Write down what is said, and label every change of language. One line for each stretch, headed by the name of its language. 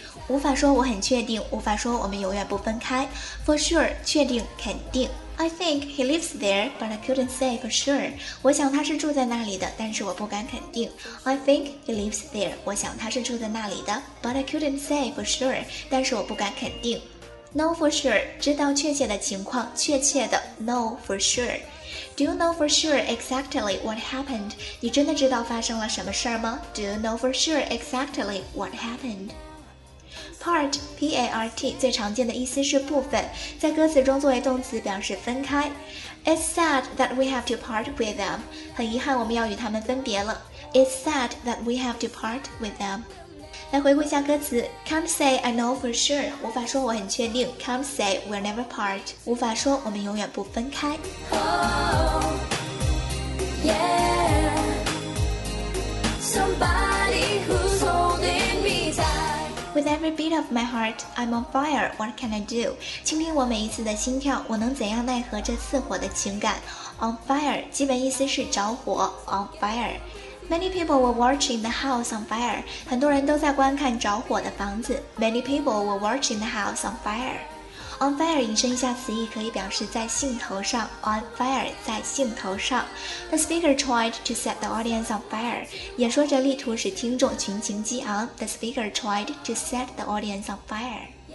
Chinese: 无法说我很确定，无法说我们永远不分开。
English: For sure,
Chinese: 确定，肯定。
English: I think he lives there, but I couldn't say for sure.
Chinese: 我想他是住在那里的，但是我不敢肯定。
English: I think he lives there.
Chinese: 我想他是住在那里的
English: ，but I couldn't say for sure.
Chinese: 但是我不敢肯定。
English: Know for sure.
Chinese: 知道确切的情况，确切的。
English: Know for sure. Do you know for sure exactly what happened?
Chinese: 你真的知道发生了什么事吗
English: ？Do you know for sure exactly what happened?
Chinese: Part, P-A-R-T, 最常见的意思是部分，在歌词中作为动词表示分开。
English: It's sad that we have to part with them.
Chinese: 很遗憾我们要与他们分别了。
English: It's sad that we have to part with them.
Chinese: 来回顾一下歌词。
English: Can't say I know for sure.
Chinese: 无法说我很确定。
English: Can't say we'll never part.
Chinese: 无法说我们永远不分开。
English: Oh, yeah. Somebody who's holding me tightWith every beat of my heart, I'm on fire, what can I do?
Chinese: 倾听我每一次的心跳，我能怎样奈何这似火的情感？ On fire, 基本意思是着火， on fire.
English: Many people were watching the house on fire.
Chinese: 很多人都在观看着火的房子。
English: Many people were watching the house on fire.
Chinese: On fire, 引申一下词义，可以表示在兴头上。On fire, 在兴头上。
English: The speaker tried to set the audience on fire.
Chinese: 演说者力图使听众群情激昂。
English: The speaker tried to set the audience on fire.